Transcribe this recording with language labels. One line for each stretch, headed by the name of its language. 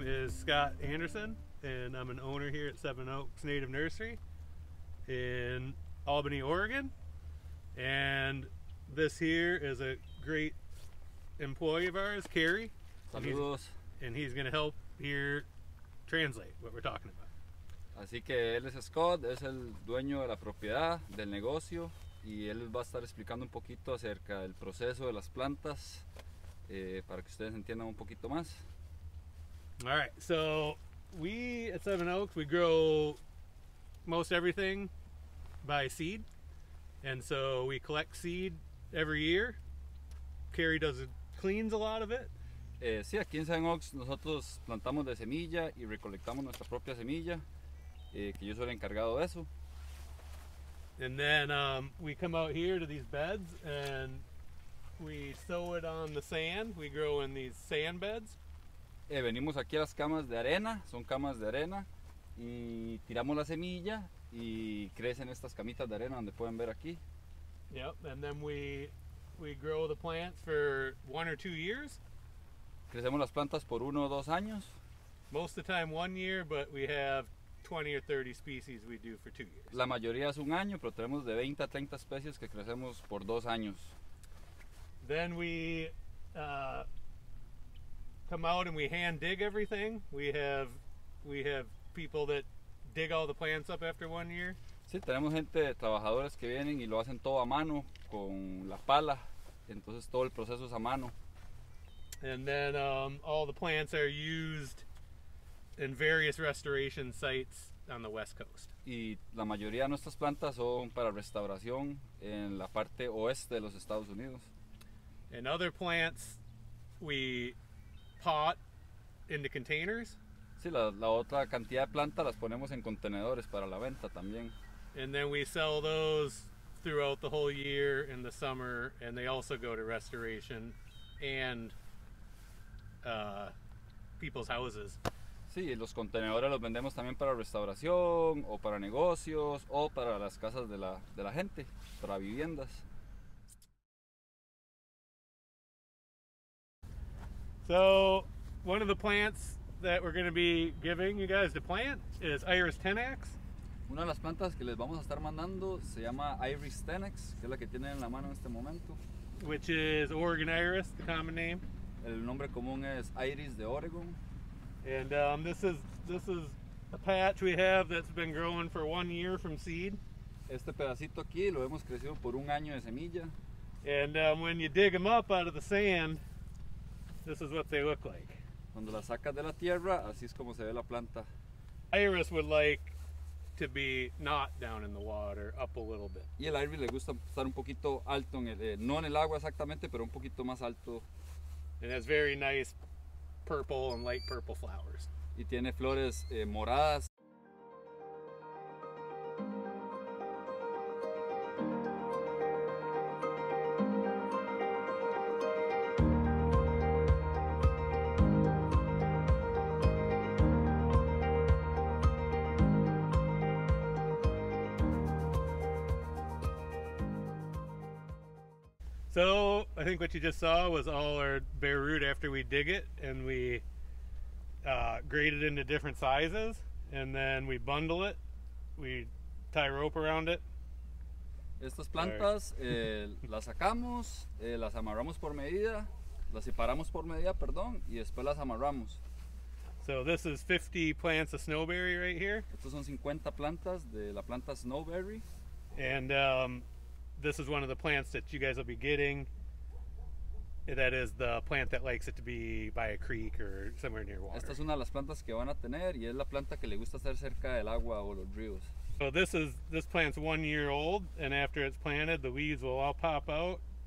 English: Scott Anderson, and I'm an owner here at Seven Oaks Native Nursery in Albany, Oregon. And this here is a great employee of ours, Carrie.
Spanish: Saludos.
English: And he's going to help here translate what we're talking about.
Spanish: Así que él es Scott, es el dueño de la propiedad, del negocio, y él va a estar explicando un poquito acerca del proceso de las plantas para que ustedes entiendan un poquito más.
English: All right, so we at Seven Oaks, we grow most everything by seed. And so we collect seed every year. Carrie cleans a lot of it.
Spanish: Sí, aquí en Seven Oaks nosotros plantamos de semilla y recolectamos nuestra propia semilla, que yo soy el encargado de eso.
English: And then we come out here to these beds and we sow it on the sand. We grow in these sand beds.
Spanish: Venimos aquí a las camas de arena, son camas de arena, y tiramos la semilla y crecen estas camitas de arena donde pueden ver aquí.
English: Yep, and then we grow the plants for 1 or 2 years.
Spanish: Crecemos las plantas por 1 o 2 años.
English: Most of the time 1 year, but we have 20 or 30 species we do for 2 years.
Spanish: La mayoría es 1 año, pero tenemos de 20 a 30 especies que crecemos por 2 años.
English: Then we come out and we hand dig everything. We have people that dig all the plants up after 1 year.
Spanish: Sí, tenemos gente, trabajadores que vienen y lo hacen todo a mano con la pala. Entonces todo el proceso es a mano.
English: And then all the plants are used in various restoration sites on the West Coast.
Spanish: Y la mayoría de nuestras plantas son para restauración en la parte oeste de los Estados Unidos.
English: And other plants we pot into containers.
Spanish: Sí, la otra cantidad de plantas las ponemos en contenedores para la venta también.
English: And then we sell those throughout the whole year in the summer, and they also go to restoration and people's houses.
Spanish: Sí, los contenedores los vendemos también para restauración o para negocios o para las casas de la gente, para viviendas.
English: So, one of the plants that we're going to be giving you guys to plant is Iris Tenax.
Spanish: Una de las plantas que les vamos a estar mandando se llama Iris Tenax, que es la que tienen en la mano en este momento.
English: Which is Oregon Iris, the common name.
Spanish: El nombre común es Iris de Oregon.
English: And this is a patch we have that's been growing for 1 year from seed.
Spanish: Este pedacito aquí lo hemos crecido por 1 año de semilla.
English: And when you dig them up out of the sand, this is what they look like.
Spanish: Cuando la sacas de la tierra, así es como se ve la planta.
English: Iris would like to be not down in the water, up a little bit.
Spanish: Y el Ivy le gusta estar un poquito alto en el, no en el agua exactamente, pero un poquito más alto.
English: And has very nice purple and light purple flowers.
Spanish: Y tiene flores moradas.
English: So, I think what you just saw was all our bare root after we dig it, and we grate it into different sizes, and then we bundle it, we tie rope around it.
Spanish: Estas plantas las sacamos, las amarramos por medida, las separamos por medida, perdón, y después las amarramos.
English: So this is 50 plants of snowberry right here.
Spanish: Estos son 50 plantas de la planta snowberry.
English: And this is one of the plants that you guys will be getting. That is the plant that likes it to be by a creek or somewhere near water.
Spanish: Esta es una de las plantas que van a tener y es la planta que le gusta estar cerca del agua o los ríos.
English: So this plant's 1 year old, and after it's planted, the leaves will all pop out.